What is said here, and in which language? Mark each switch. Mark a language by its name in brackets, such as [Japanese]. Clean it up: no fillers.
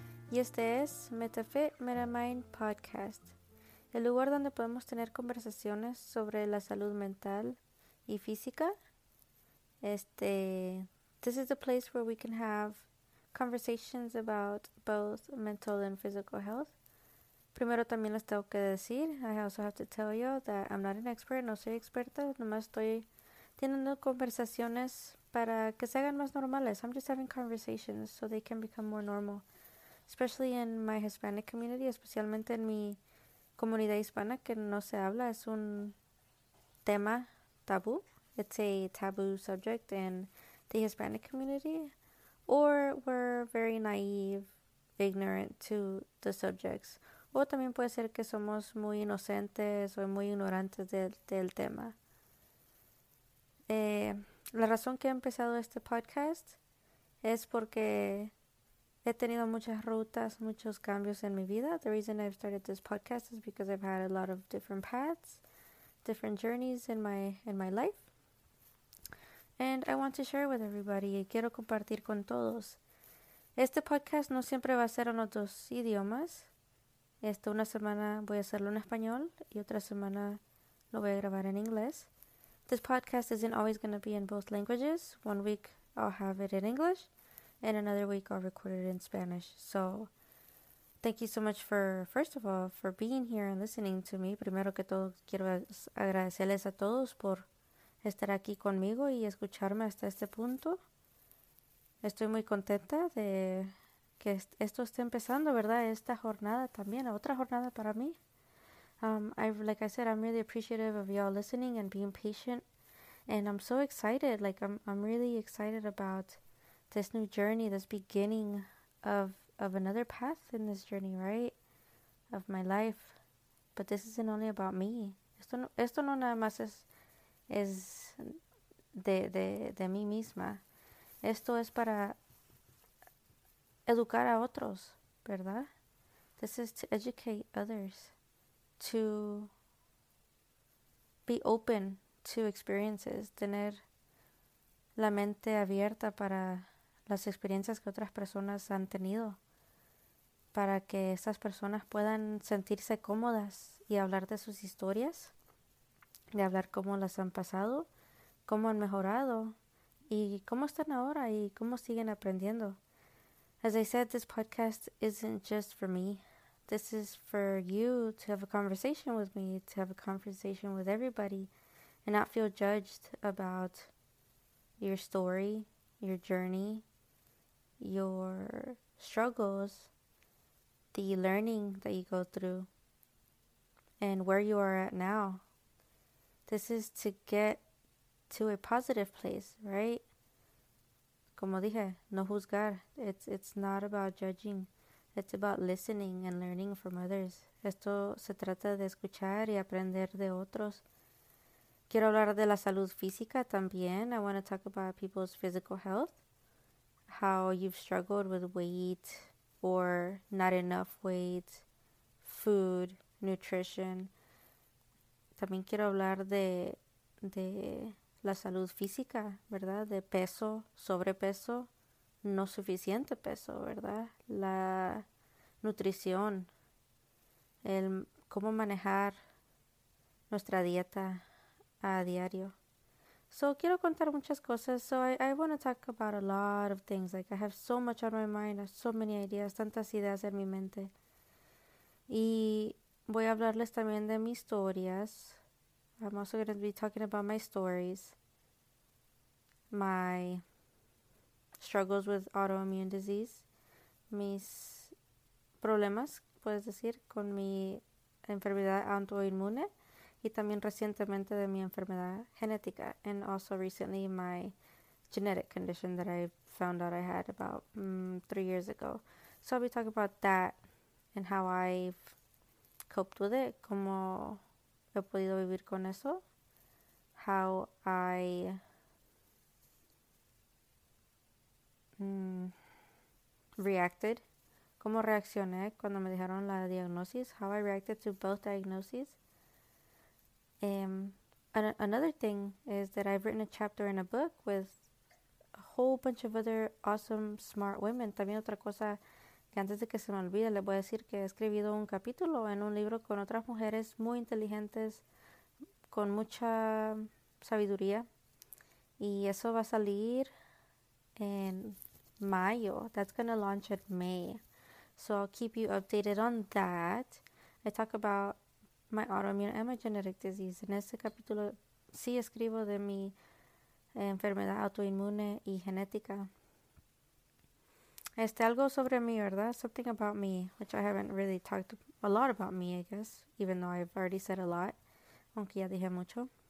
[Spanish] Y este es Metafe Metamind Podcast, el lugar donde podemos tener conversaciones sobre la salud mental y física. [English] This is a place where we can have conversations about both mental and physical health. [Spanish] Primero también les tengo que decir, [English] I also have to tell you that I'm not an expert, [Spanish] no soy experta, nomás estoy teniendo conversaciones para que se hagan más normales. [English] I'm just having conversations so they can become more normal. Especially in my Hispanic community, [Spanish] especialmente en mi comunidad hispana, que no se habla, es un tema tabú. [English] It's a taboo subject in the Hispanic community. Or we're very naive, ignorant to the subjects. [Spanish] O también puede ser que somos muy inocentes o muy ignorantes del tema. La razón que he empezado este podcast es porque he tenido muchas rutas, muchos cambios en mi vida. [English] The reason I've started this podcast is because I've had a lot of different paths, different journeys in my life. And I want to share with everybody. [Spanish] Quiero compartir con todos. Este podcast no siempre va a ser en otros idiomas. Una semana voy a hacerlo en español y otra semana lo voy a grabar en inglés. [English] This podcast isn't always going to be in both languages. One week I'll have it in English. And another week I'll record it in Spanish. So, thank you so much for being here and listening to me. [Spanish] Primero que todo, quiero agradecerles a todos por estar aquí conmigo y escucharme hasta este punto. Estoy muy contenta de que esto esté empezando, ¿verdad? Esta jornada también, otra jornada para mí. [English] Like I said, I'm really appreciative of y'all listening and being patient. And I'm so excited. Like, I'm really excited about this new journey, this beginning of another path in this journey, right? Of my life. But this isn't only about me. [Spanish] Esto no nada más es de mí misma. Esto es para educar a otros, ¿verdad? [English] This is to educate others to be open to experiences, [Spanish] tener la mente abierta para las experiencias que otras personas han tenido, para que esas personas puedan sentirse cómodas y hablar de sus historias, de hablar cómo las han pasado, cómo han mejorado y cómo están ahora y cómo siguen aprendiendo. [English] As I said, this podcast isn't just for me. This is for you to have a conversation with me, to have a conversation with everybody, and not feel judged about your story, your journey, your struggles, the learning that you go through, and where you are at now. This is to get to a positive place, right? [Spanish] Como dije, no juzgar. [English] It's not about judging. It's about listening and learning from others. [Spanish] Esto se trata de escuchar y aprender de otros. Quiero hablar de la salud física también. [English] I want to talk about people's physical health. How you've struggled with weight or not enough weight, food, nutrition. [Spanish] También quiero hablar de la salud física, ¿verdad? De peso, sobrepeso, no suficiente peso, ¿verdad? La nutrición, el cómo manejar nuestra dieta a diario. So, quiero contar muchas cosas. [English] So, I want to talk about a lot of things. Like, I have so much on my mind. I have so many ideas. [Spanish] Tantas ideas en mi mente. Y voy a hablarles también de mis historias. [English] I'm also going to be talking about my stories. My struggles with autoimmune disease. [Spanish] Mis problemas, puedes decir, con mi enfermedad autoinmune. Y también recientemente de mi enfermedad genética. [English] And also recently my genetic condition that I found out I had about 3 years ago. So I'll be talking about that and how I've coped with it. [Spanish] Cómo he podido vivir con eso. [English] How I reacted. [Spanish] Cómo reaccioné cuando me dijeron la diagnosis. [English] How I reacted to both diagnoses. Another thing is that I've written a chapter in a book with a whole bunch of other awesome, smart women. [Spanish] También otra cosa que antes de que se me olvide, les voy a decir que he escribido un capítulo en un libro con otras mujeres muy inteligentes, con mucha sabiduría. Y eso va a salir en mayo. [English] That's gonna launch in May. So I'll keep you updated on that. I talk about my autoimmune and my genetic disease. [Spanish] En este capítulo sí escribo de mi enfermedad autoinmune y genética. Algo sobre mí, ¿verdad? [English] Something about me, which I haven't really talked a lot about me, I guess, even though I've already said a lot, [Spanish] aunque ya dije mucho.